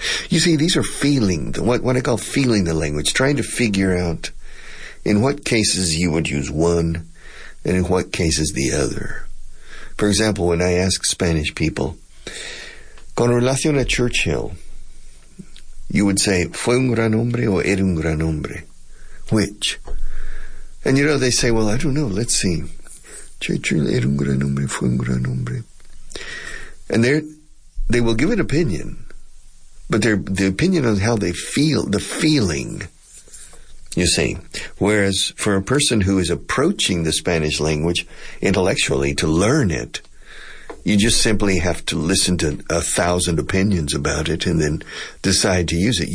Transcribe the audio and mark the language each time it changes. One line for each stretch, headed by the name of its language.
English: You see, these are feeling, what I call feeling the language, trying to figure out in what cases you would use one and in what cases the other. For example, when I ask Spanish people,
Spanish: con relación a Churchill,
English: you would say,
Spanish: ¿fue un gran hombre o era un gran hombre?
English: Which? And you know, they say, well, I don't know, let's see.
Spanish: Churchill era un gran hombre, fue un gran hombre.
English: And they will give an opinion, but the opinion on how they feel, the feeling, you see. Whereas for a person who is approaching the Spanish language intellectually to learn it, you just simply have to listen to 1,000 opinions about it and then decide to use it.